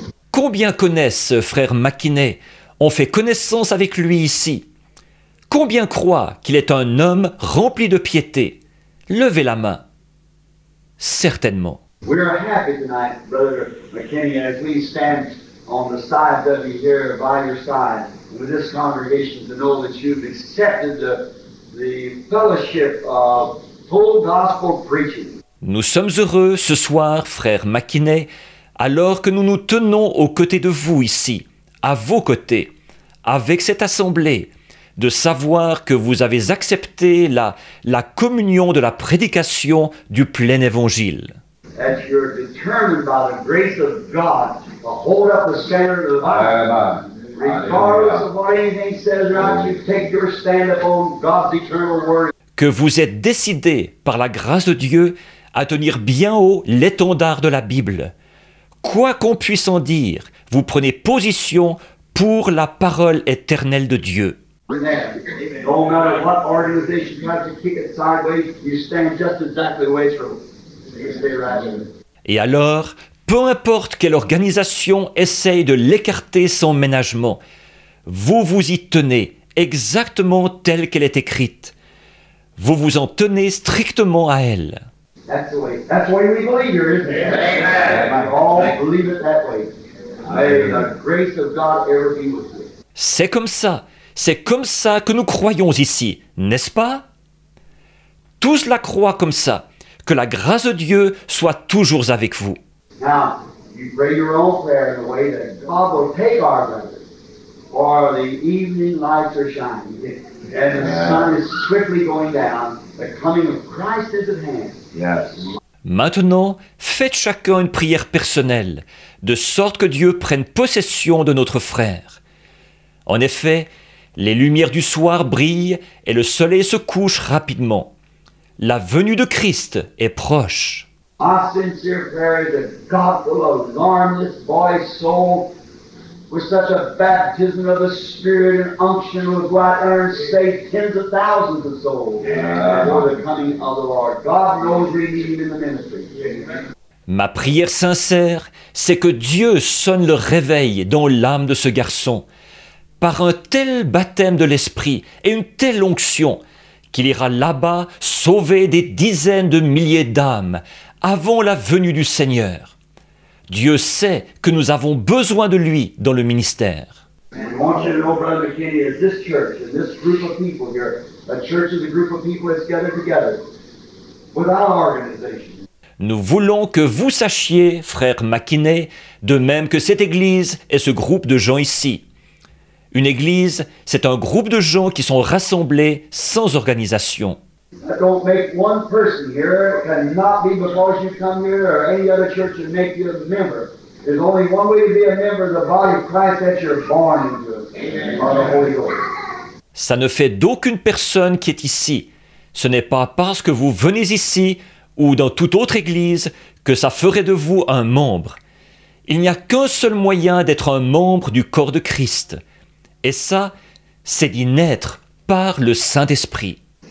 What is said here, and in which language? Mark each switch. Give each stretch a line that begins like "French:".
French: Combien connaissent frère McKinney? On fait connaissance avec lui ici. Combien croient qu'il est un homme rempli de piété? Levez la main. Certainement.
English: We are happy tonight, Brother McKinney, as we stand on the side of you here by your side with this congregation to know that you've accepted the fellowship of full gospel preaching.
French: Nous sommes heureux ce soir, frère McKinney, alors que nous nous tenons aux côtés de vous ici, à vos côtés, avec cette assemblée, de savoir que vous avez accepté la communion de la prédication du plein évangile.
English: That you're determined by the grace of God to hold up the standard of the Bible. Regardless of what anything says around you, take your stand upon God's eternal word.
French: Que vous êtes décidé par la grâce de Dieu à tenir bien haut l'étendard de la Bible. Quoi qu'on puisse en dire, vous prenez position pour la parole éternelle de Dieu.
English: No matter what organization tries to kick it sideways, you stand just exactly the way through. You stay right in.
French: Et alors, peu importe quelle organisation essaye de l'écarter sans ménagement, vous vous y tenez exactement telle qu'elle est écrite. Vous vous en tenez strictement à elle.
English: That's the way. That's the way we believe here, isn't it? Amen. We all believe it that way. May the grace of God ever be with you.
French: C'est comme ça. C'est comme ça que nous croyons ici, n'est-ce pas? Tous la croient comme ça, que la grâce de Dieu soit toujours avec vous.
English: Now, you pray your own prayer in a way that God will take our brother, for the evening lights are shining, and the sun is swiftly going down, the coming of Christ is at hand. Yes.
French: Maintenant, faites chacun une prière personnelle, de sorte que Dieu prenne possession de notre frère. En effet, les lumières du soir brillent et le soleil se couche rapidement. La venue de Christ est proche.
English: My sincere prayer is that God will alarm this boy's soul with such a baptism of the Spirit and unction will go out there and save tens of thousands of souls for the coming of the Lord. God knows we need him in the ministry.
French: Ma prière sincère, c'est que Dieu sonne le réveil dans l'âme de ce garçon. Par un tel baptême de l'Esprit et une telle onction qu'il ira là-bas sauver des dizaines de milliers d'âmes avant la venue du Seigneur. Dieu sait que nous avons besoin de lui dans le ministère.
English: And I want you to know, Brother McKinney, is this church and this group of people here, a church is a group of people that's gathered together without organization.
French: Nous voulons que vous sachiez, frère McKinney, de même que cette église et ce groupe de gens ici. Une église, c'est un groupe de gens qui sont rassemblés sans organisation.
English: Don't make one person here. It cannot be because you come here or any other church and make you a member. There's only one way to be a member of the body of Christ that you're born into, by the Holy Ghost.
French: Ça ne fait d'aucune personne qui est ici. Ce n'est pas parce que vous venez ici ou dans toute autre église que ça ferait de vous un membre. Il n'y a qu'un seul moyen d'être un membre du corps de Christ. Et ça, c'est d'y naître par le Saint-Esprit.